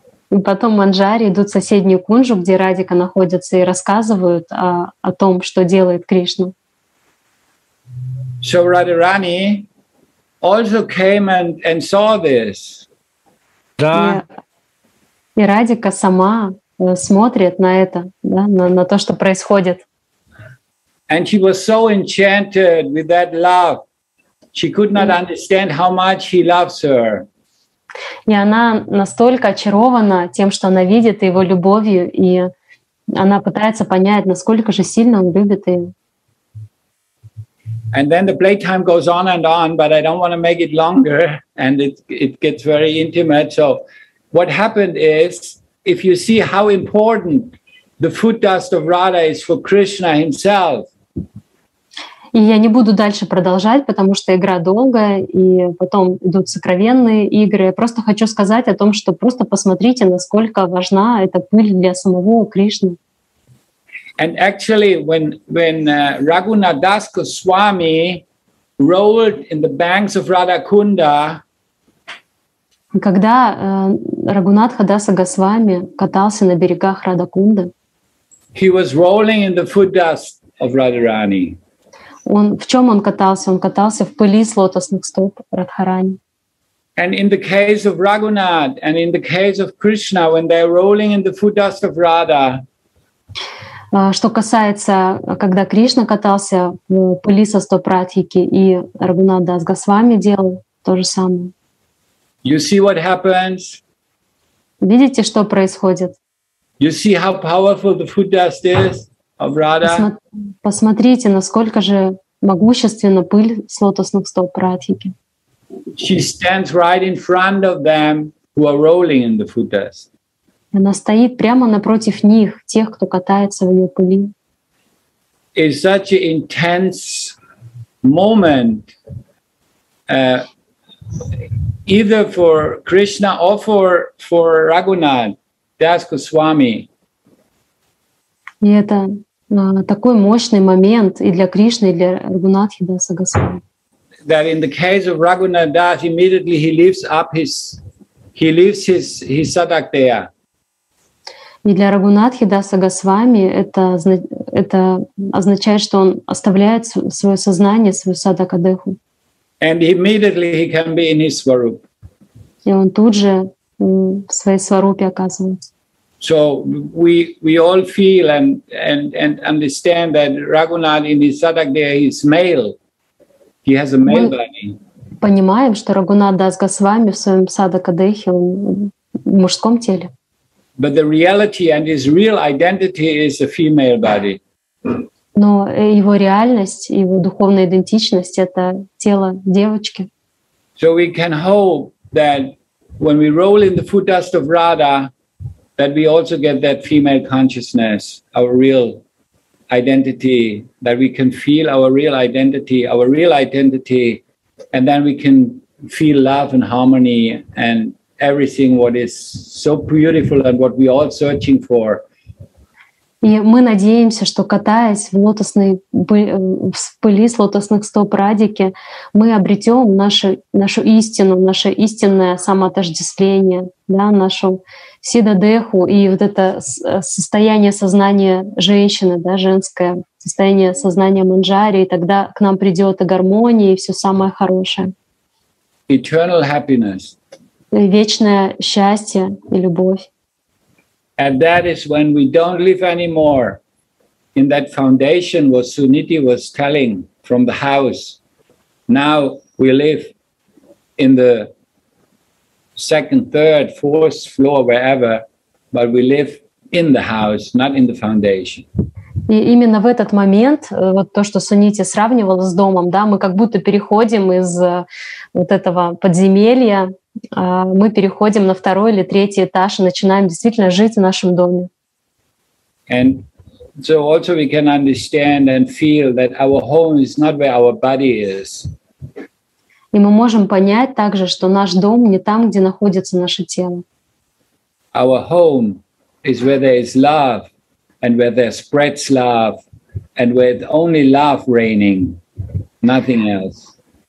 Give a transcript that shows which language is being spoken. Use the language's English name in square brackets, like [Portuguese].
[Russian] И потом манджари идут в соседнюю кунжу, где Радика находится, и рассказывают о том, что делает Кришна. [English] So Radharani also came and saw this. [Russian] Да. И Радика сама смотрит на это, да, на то, что происходит. [English] And she was so enchanted with that love. She could not understand how much he loves her. [Russian] И она настолько очарована тем, что она видит его любовью, и она пытается понять, насколько же сильно он любит ее. [English] And then the playtime goes on, but I don't want to make it longer, and it gets very intimate. So what happened is, if you see how important the foot dust of Radha is for Krishna himself. [Russian] И я не буду дальше продолжать, потому что игра долгая, и потом идут сокровенные игры. Я просто хочу сказать о том, что просто посмотрите, насколько важна эта пыль для самого Кришны. [English] And actually, when Raghunath Das Goswami rolled in the banks of Radhakunda, [Russian] когда Рагунатха Даса Госвами катался на берегах Радхакунды, [English] he was rolling in the foot dust of Radharani. [Russian] Он в чем он катался? Он катался в пыли с лотосных стоп Радхарани. [English] And in the case of Raghunath and in the case of Krishna, when they are rolling in the foot dust of Radha. [Russian] Что касается, когда Кришна катался в пыли со стоп Радхики и Рагунат Дас Госвами делал то же самое. [English] You see what happens? [Russian] Видите, что происходит? [English] You see how powerful the foot dust is of Radha? [Russian] Посмотрите, насколько же могущественна пыль с лотосных стоп Радхики. [English] She stands right in front of them who are rolling in the foot dust. [Russian] Она стоит прямо напротив них, тех, кто катается в ее пыли. [English] It's such an intense moment, either for Krishna or for Raghunath Das Goswami. [Russian] И это такой мощный момент и для Кришны, и для Рагунатхи Даса Госвами. [English] That in the case of Raghunath Das, immediately he leaves his sadakteya. [Russian] И для Рагунатхи Даса Госвами это означает, что он оставляет свое сознание, свою садакадеху. [English] And immediately he can be in his swarup. [Russian] И он тут же в своей сварупе оказывается. [English] So we all feel and understand that Raghunath in his sadakdeha is male. He has a male body. [Russian] Понимаем, что Рагунат Дас Госвами в своем садакадехе он в мужском теле. [English] But the reality and his real identity is a female body. [Russian] Но его реальность, его духовная идентичность — это тело девочки. [English] So we can hope that when we roll in the foot dust of Radha, that we also get that female consciousness, our real identity, that we can feel our real identity, and then we can feel love and harmony and everything what is so beautiful and what we all searching for. [Russian] И мы надеемся, что катаясь в лотосной в пыли с лотосных стоп Радхики, мы обретем нашу истину, наше истинное самоотождествление, да, нашу сиддадеху и вот это состояние сознания женщины, да, женское состояние сознания манджари, и тогда к нам придет и гармония, и все самое хорошее. [English] Eternal happiness. [Russian] Вечное счастье и любовь. [English] And that is when we don't live anymore in that foundation, what Suniti was telling from the house. Now we live in the second, third, fourth floor, wherever, but we live in the house, not in the foundation. [Russian] И именно в этот момент, вот то, что Сунити сравнивала с домом, да, мы как будто переходим из вот этого подземелья. Мы переходим на второй или третий этаж и начинаем действительно жить в нашем доме. [English] And so also we can understand and feel that our home is not where our body is. [Russian] И мы можем понять также, что наш дом не там, где находится наше тело. [English] Our home is where there is love and where there spreads love and where only love reigning, nothing else.